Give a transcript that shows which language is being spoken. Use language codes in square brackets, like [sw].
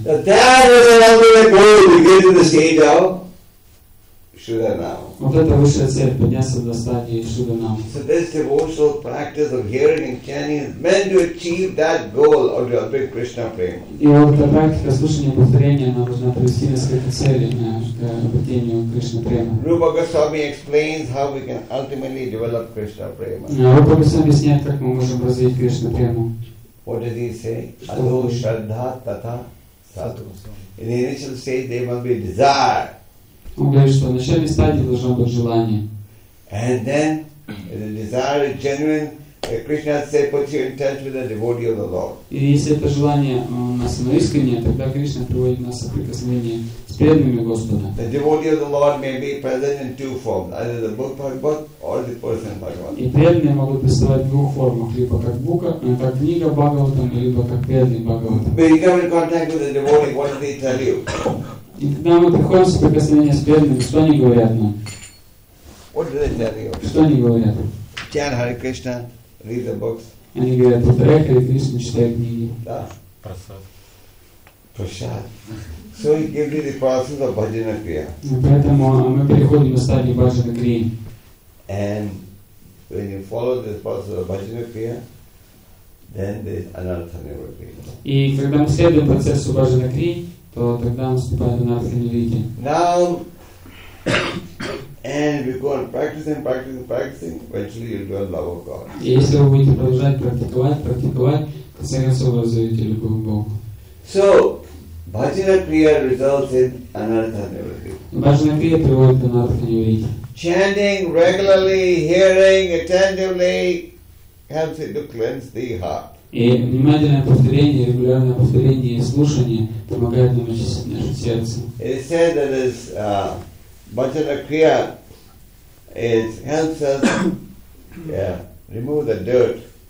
[en] So that is the ultimate goal to get to the stage of Шуданама. [ru] Вот это высшая цель, подняться до стадии Шуданама. [en] So this devotional practice of hearing and chanting is meant to achieve that goal of the ultimate Krishna prema. [ru] И вот эта практика слушания и повторения, она должна привести нас к этой цели, к обретению Кришна према. [en] Rupa Goswami explains how we can ultimately develop Krishna prema. [ru] Rupa Goswami объясняет, как мы можем развить Кришна прему. [en] What did he say? [sa] Adho Shraddha Tatha Sattva. [en] In the initial stage there must be desire. [ru] Он говорит, что в начальной стадии должно быть желание. [en] And then, if the desire is genuine, Krishna says, put your intention with the devotee of the Lord. [ru] И если это желание у нас оно искреннее, тогда Кришна приводит нас в соприкосновение с преданными Господа. [en] The devotee of the Lord may be present in two forms, either the book Bhagavat or the person Bhagavat. [ru] И преданные могут представлять в двух формах, либо как бука, как книга Бхагаватам, либо как преданный Бхагаватам. [en] When you come in contact with the devotee, what do they tell you? [ru] И когда мы приходим в соприкосновение с преданными, что они говорят нам? [en] What do they tell you? [ru] Что они говорят? [en] Chan Hare Krishna, read the books. [ru] Они говорят, повторяй Харе Кришну, читай книги. Да. Прасад. Прасад. [en] So he gives you the process of Bhajana Kriya. [ru] Поэтому мы переходим на стадию Bhajana Kriya. [en] And when you follow this path of Bhajana Kriya, then there is Anartha Nivritti. [ru] И когда мы следуем процессу Bhajana Kriya, то тогда наступает Anartha Nivritti. [en] Now, and we go on practicing, practicing, practicing, eventually you'll learn love of God. [ru] И если вы будете продолжать практиковать, практиковать, то в конце концов вы разовьете любовь к Богу. [en] So, Bhajana Kriya results in Anartha Nivritti. [ru] Bhajana Kriya приводит к Anartha Nivritti. [en] Chanting regularly, hearing attentively helps it to cleanse the heart. [ru] И внимательное повторение, регулярное повторение, слушание помогает нам очистить наше сердце. [en] It is said that this Bhajana Kriya it helps us remove the dirt.